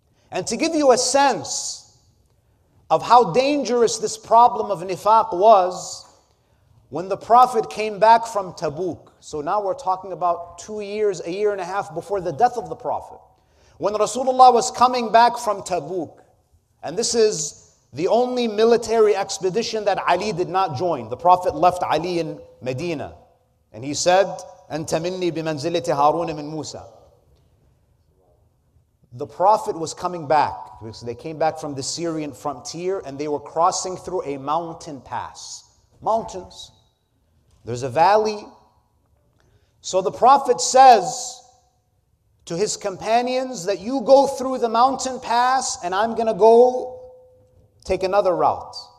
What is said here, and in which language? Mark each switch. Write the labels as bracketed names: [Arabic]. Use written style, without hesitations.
[English] And to give you a sense of how dangerous this problem of nifaq was, when the Prophet came back from Tabuk, so now we're talking about 2 years, a year and a half before the death of the Prophet. When Rasulullah was coming back from Tabuk, and this is the only military expedition that Ali did not join. The Prophet left Ali in Medina. And he said, [Arabic] أَنْتَ مِنِّي بِمَنْزِلَةِ هَارُونَ مِنْ مُوسَى. [English] The Prophet was coming back. Because they came back from the Syrian frontier and they were crossing through a mountain pass. Mountains. There's a valley. So the Prophet says to his companions that you go through the mountain pass and I'm going to go take another route.